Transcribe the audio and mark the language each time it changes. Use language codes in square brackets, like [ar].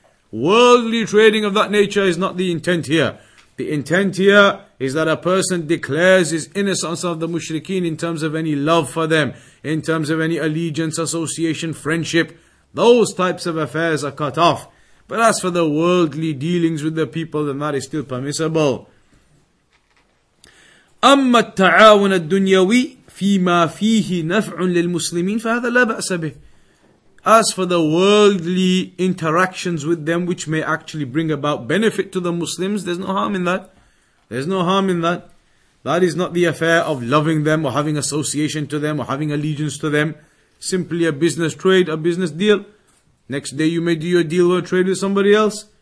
[en] Worldly trading of that nature is not the intent here. The intent here is that a person declares his innocence of the mushrikeen in terms of any love for them, in terms of any allegiance, association, friendship. Those types of affairs are cut off. But as for the worldly dealings with the people, then that is still permissible. [ar] أما التعاون الدنيوي فيما فيه نفع للمسلمين فهذا لا بأس به. [en] As for the worldly interactions with them, which may actually bring about benefit to the Muslims, there's no harm in that. There's no harm in that. That is not the affair of loving them or having association to them or having allegiance to them. Simply a business trade, a business deal. Next day you may do your deal or trade with somebody else.